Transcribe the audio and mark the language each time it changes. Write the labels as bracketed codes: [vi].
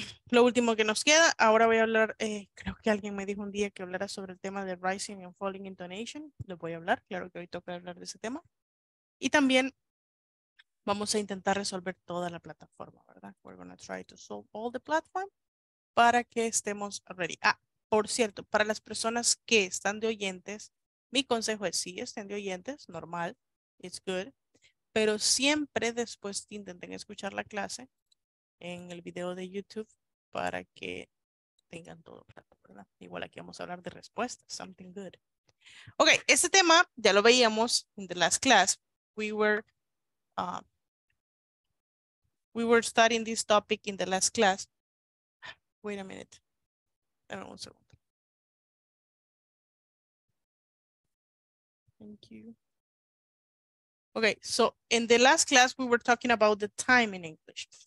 [es] Lo último que nos queda, ahora voy a hablar, creo que alguien me dijo un día que hablara sobre el tema de [en] rising and falling intonation, [es] lo voy a hablar, claro que hoy toca hablar de ese tema, y también vamos a intentar resolver toda la plataforma, ¿verdad? [en] We're going to try to solve all the platform [es] para que estemos ready. Ah, por cierto, para las personas que están de oyentes, mi consejo es sí, estén de oyentes, normal, [en] it's good, [es] pero siempre después intenten escuchar la clase en el video de YouTube para que tengan todo claro, ¿verdad? Igual aquí vamos a hablar de respuestas, [en] something good. [es] Ok, este tema ya lo veíamos en [en] the last class. We were studying this topic in the last class. Wait a minute. [es] Dame un segundo. [en] Thank you. Okay, so in the last class, we were talking about the time in English.